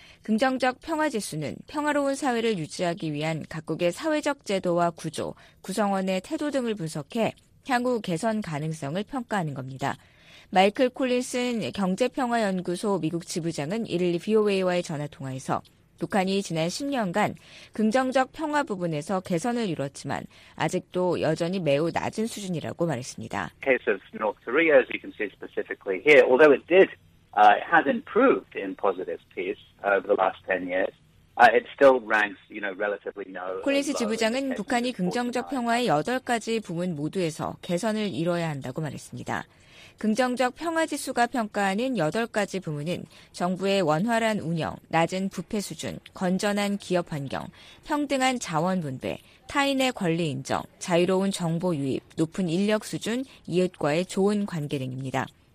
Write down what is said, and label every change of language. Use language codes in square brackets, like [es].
[ko] 긍정적 평화 지수는 평화로운 사회를 유지하기 위한 각국의 사회적 제도와 구조, 구성원의 태도 등을 분석해 향후 개선 가능성을 평가하는 겁니다. 마이클 콜린슨 경제평화연구소 미국 지부장은 이를 VOA와의 전화통화에서 북한이 지난 10년간 긍정적 평화 부분에서 개선을 이뤘지만 아직도 여전히 매우 낮은 수준이라고 말했습니다. [en] In the case of North Korea, as you can see specifically here, although it did, has improved in positive peace over the last 10 years, it still ranks, you know, relatively low. [ko] 콜린스 지부장은 북한이 긍정적 평화의 8가지 부문 모두에서 개선을 이뤄야 한다고 말했습니다. 긍정적 평화 지수가 평가하는 8가지 부문은 정부의 원활한 운영, 낮은 부패 수준, 건전한 기업 환경, 평등한 자원 분배, 타인의 권리 인정, 자유로운 정보 유입, 높은 인력 수준, 이웃과의 좋은 관계 등입니다.